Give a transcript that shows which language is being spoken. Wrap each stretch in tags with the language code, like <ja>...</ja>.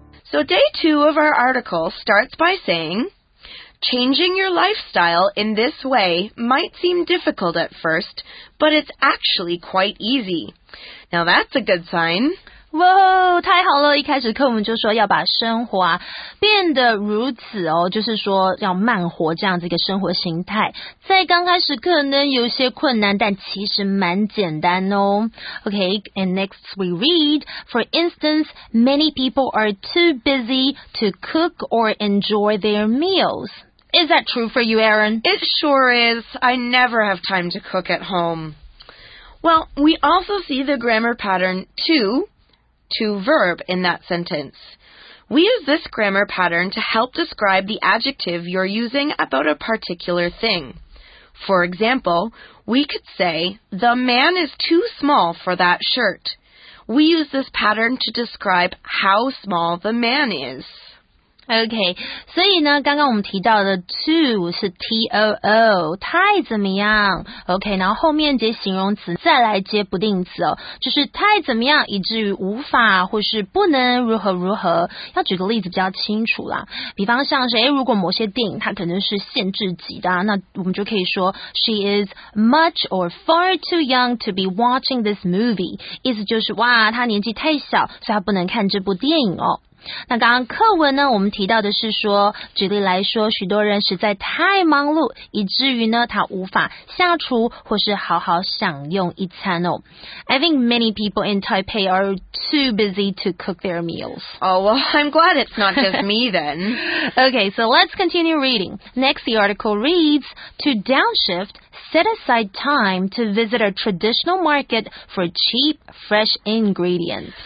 <en>So day two of our article starts by saying, changing your lifestyle in this way might seem difficult at first, but it's actually quite easy. Now that's a good sign.</en> <zh>哇，太好了！一开始课文就说要把生活啊变得如此哦，就是说要慢活这样子一个生活形态，在刚开始可能有些困难，但其实蛮简单哦。</zh> <en>Okay, and next we read. For instance, many people are too busy to cook or enjoy their meals. Is that true for you, Erin? It sure is. I never have time to cook at home. Well, we also see the grammar pattern too. To verb in that sentence. We use this grammar pattern to help describe the adjective you're using about a particular thing. For example, we could say, the man is too small for that shirt. We use this pattern to describe how small the man is.</en> <zh>Okay, 所以呢，刚刚我们提到的 too 是 too， 太怎么样 ？OK， 然后后面接形容词，再来接不定词哦，就是太怎么样，以至于无法或是不能如何如何。要举个例子比较清楚啦，比方像是，如果某些电影它可能是限制级的，那我们就可以说</zh> <en>she is much or far too young to be watching this movie，</en> <zh>意思就是哇，她年纪太小，所以她不能看这部电影哦。那刚刚课文呢，我们提到的是说，举例来说，许多人实在太忙碌，以至于呢，他无法下厨或是好好享用一餐哦。</zh> <en>I think many people in Taipei are too busy to cook their meals. Oh, well, I'm glad it's not just me then. Okay, so let's continue reading. Next, the article reads, To downshift, set aside time to visit a traditional market for cheap, fresh ingredients.</en>